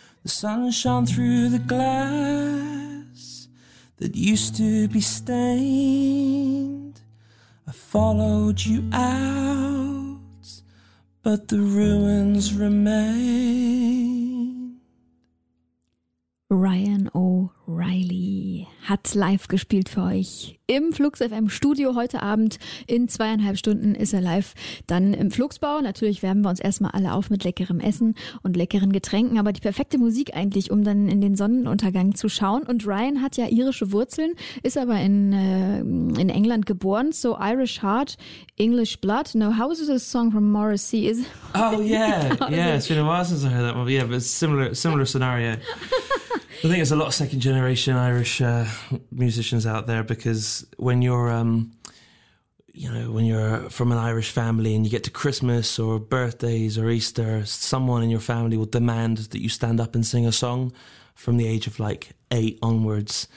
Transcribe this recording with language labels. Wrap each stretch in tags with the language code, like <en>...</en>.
<en>The sun shone through the glass that used to be stained. I followed you out, but the ruins remain.</en> <de>Ryan O'Reilly hat live gespielt für euch im Flux FM Studio heute Abend. In 2,5 Stunden ist er live dann im Fluxbau. Natürlich wärmen wir uns erstmal alle auf mit leckerem Essen und leckeren Getränken, aber die perfekte Musik eigentlich, um dann in den Sonnenuntergang zu schauen. Und Ryan hat ja irische Wurzeln, ist aber in England geboren.</de> <en>So Irish heart, English blood. Now, how is this song from Morrissey? It's been a while since I heard that one. Yeah, but it's similar scenario. I think there's a lot of second generation Irish musicians out there, because when you're, when you're from an Irish family and you get to Christmas or birthdays or Easter, someone in your family will demand that you stand up and sing a song from the age of like 8 onwards,</en>